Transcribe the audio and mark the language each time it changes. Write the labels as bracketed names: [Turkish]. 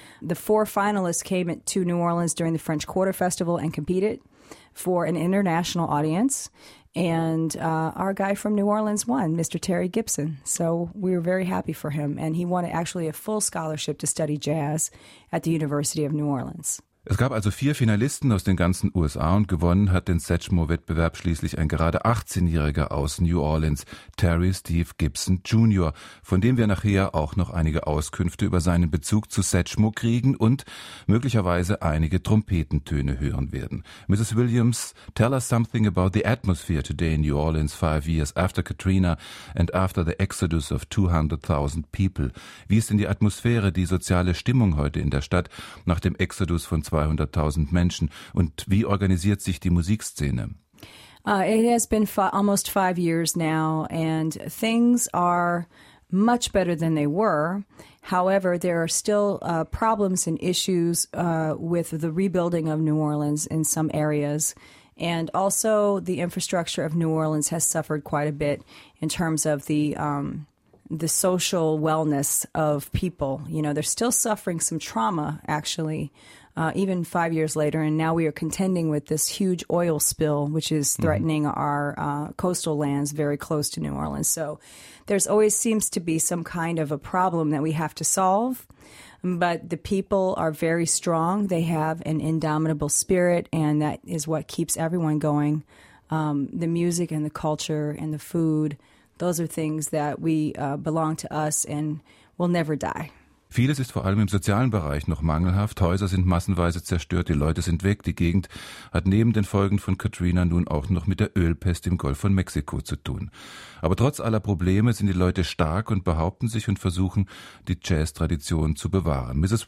[English] The 4 finalists came to New Orleans during the French Quarter Festival and competed for an international audience. And our guy from New Orleans won, Mr. Terry Gibson. So we were very happy for him. And he won actually a full scholarship to study jazz at the University of New Orleans. [German] Es gab also 4 Finalisten aus den ganzen USA und gewonnen hat den Satchmo-Wettbewerb schließlich ein gerade 18-Jähriger aus New Orleans, Terry Steve Gibson Jr., von dem wir nachher auch noch einige Auskünfte über seinen Bezug zu Satchmo kriegen und möglicherweise einige Trompetentöne hören werden. [English] Mrs. Williams, tell us something about the atmosphere today in New Orleans 5 years after Katrina and after the exodus of 200.000 people. [German] Wie ist denn die Atmosphäre, die soziale Stimmung heute in der Stadt nach dem Exodus von 200.000 Menschen und wie organisiert sich die Musikszene? [English] It has been almost 5 years now and things are much better than they were. However, there are still problems and issues with the rebuilding of New Orleans in some areas. And also the infrastructure of New Orleans has suffered quite a bit in terms of the social wellness of people. You know, they're still suffering some trauma, actually, even 5 years later. And now we are contending with this huge oil spill, which is threatening our coastal lands very close to New Orleans. So there's always seems to be some kind of a problem that we have to solve. But the people are very strong. They have an indomitable spirit, and that is what keeps everyone going. The music and the culture and the food, those are things that we belong to us and will never die. [German] Vieles ist vor allem im sozialen Bereich noch mangelhaft. Häuser sind massenweise zerstört, die Leute sind weg. Die Gegend hat neben den Folgen von Katrina nun auch noch mit der Ölpest im Golf von Mexiko zu tun. Aber trotz aller Probleme sind die Leute stark und behaupten sich und versuchen, die Jazz-Tradition zu bewahren. Mrs.